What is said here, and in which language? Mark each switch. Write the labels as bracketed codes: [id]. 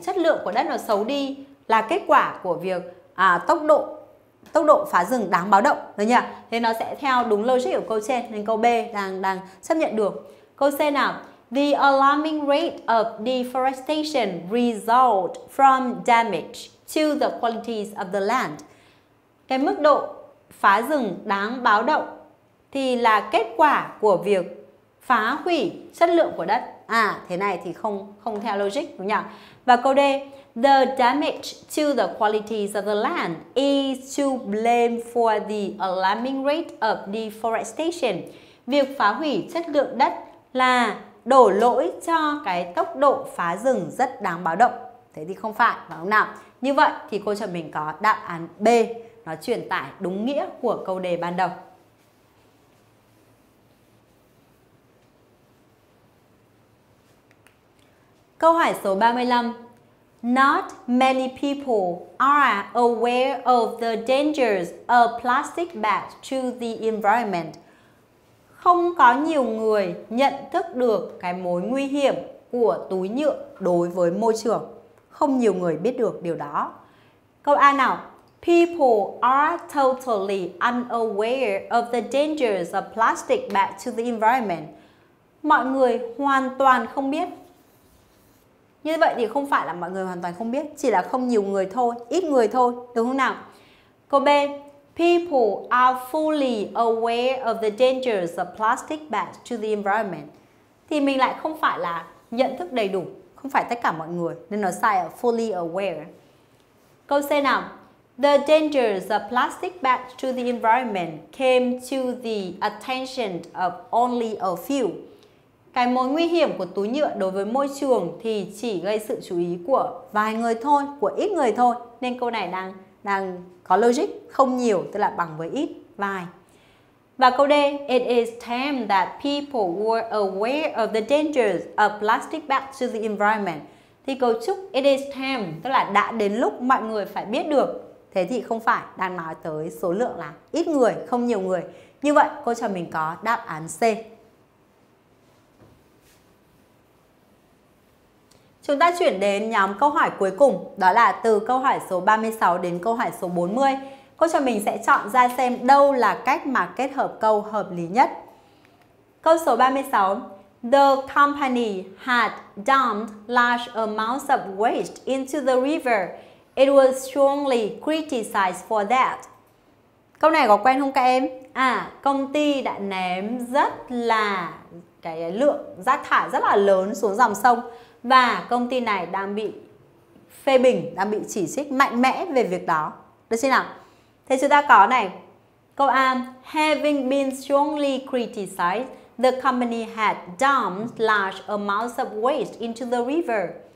[vi] Chất lượng của đất nó xấu đi là kết quả của việc tốc độ phá rừng đáng báo động, đúng không nhỉ? Thế nó sẽ theo đúng logic của câu trên nên câu B đang chấp nhận được. Câu C nào. [en] The alarming rate of deforestation result from damage to the qualities of the land. [vi] Cái mức độ phá rừng đáng báo động thì là kết quả của việc phá hủy chất lượng của đất. À, thế này thì không theo logic, đúng không nhỉ? Và câu D. [en] The damage to the qualities of the land is to blame for the alarming rate of deforestation. [vi] Việc phá hủy chất lượng đất là đổ lỗi cho cái tốc độ phá rừng rất đáng báo động. Thế thì không phải, phải không nào? Như vậy thì cô cho mình có đáp án B, nó truyền tải đúng nghĩa của câu đề ban đầu. Câu hỏi số 35. [en] Not many people are aware of the dangers of plastic bags to the environment. [vi] Không có nhiều người nhận thức được cái mối nguy hiểm của túi nhựa đối với môi trường. Không nhiều người biết được điều đó. Câu A nào. [en] People are totally unaware of the dangers of plastic bags to the environment. [vi] Mọi người hoàn toàn không biết. Như vậy thì không phải là mọi người hoàn toàn không biết, chỉ là không nhiều người thôi, ít người thôi, đúng không nào? Câu B. [en] People are fully aware of the dangers of plastic bags to the environment. [vi] Thì mình lại không phải là nhận thức đầy đủ, không phải tất cả mọi người, nên nó sai ở fully aware. Câu C nào. [en] The dangers of plastic bags to the environment came to the attention of only a few. [vi] Cái mối nguy hiểm của túi nhựa đối với môi trường thì chỉ gây sự chú ý của vài người thôi, của ít người thôi. Nên câu này đang có logic, không nhiều, tức là bằng với ít, vài. Và câu D. [en] It is time that people were aware of the dangers of plastic bags to the environment. [vi] Thì cấu trúc it is time, tức là đã đến lúc mọi người phải biết được. Thế thì không phải, đang nói tới số lượng là ít người, không nhiều người. Như vậy, cô cho mình có đáp án C. Chúng ta chuyển đến nhóm câu hỏi cuối cùng, đó là từ câu hỏi số 36 đến câu hỏi số 40. Cô cho mình sẽ chọn ra xem đâu là cách mà kết hợp câu hợp lý nhất. Câu số 36. [en] The company had dumped large amounts of waste into the river. It was strongly criticized for that. [vi] Câu này có quen không các em? À, công ty đã ném rất là cái lượng rác thải rất là lớn xuống dòng sông. Và công ty này đang bị phê bình, đang bị chỉ trích mạnh mẽ về việc đó. Được chưa nào? Thế chúng ta có này. Câu A. [en] Having been strongly criticized, the company had dumped large amounts of waste into the river.